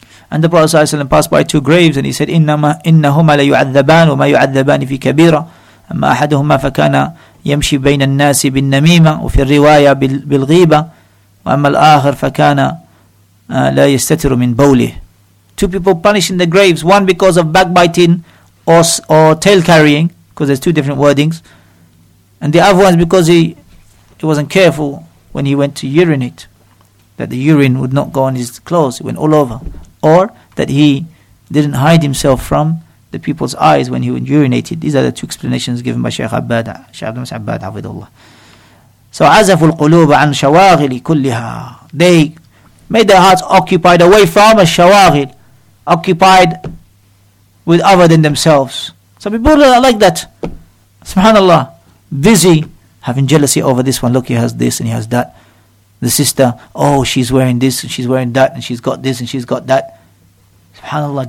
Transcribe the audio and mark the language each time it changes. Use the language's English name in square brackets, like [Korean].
[English] And the Prophet sallallahu alayhi wa passed by two graves and he said, [Arabic] إِنَّهُمَا لَيُعَذَّبَانُ وَمَا يُعَذَّبَانِ فِي كَبِيرًا أَمَّا أَحَدُهُمَا فَكَانَ يَمْشِي بَيْنَ النَّاسِ بِالنَّمِيمَةِ وَفِي الرِّوَايَةِ بِالْغِيبَةِ وَأَمَّا الْآخِرِ فَكَانَ لا يستتر من بوله. [English] Two people punished in the graves, one because of backbiting or tail carrying, because there's two different wordings, and the other one is because he wasn't careful when he went to urinate, that the urine would not go on his clothes, it went all over, or that he didn't hide himself from the people's eyes when he urinated. These are the two explanations given by Shaykh Abbad, Shaykh Abdul Abbad, Hafidhullah. [Arabic] So عزف القلوب عن شواغل كلها. [English] They made their hearts occupied away from a shawaghil, occupied with other than themselves. Some people are like that. SubhanAllah. Busy, having jealousy over this one. Look, he has this and he has that. The sister, oh, she's wearing this and she's wearing that and she's got this and she's got that. SubhanAllah.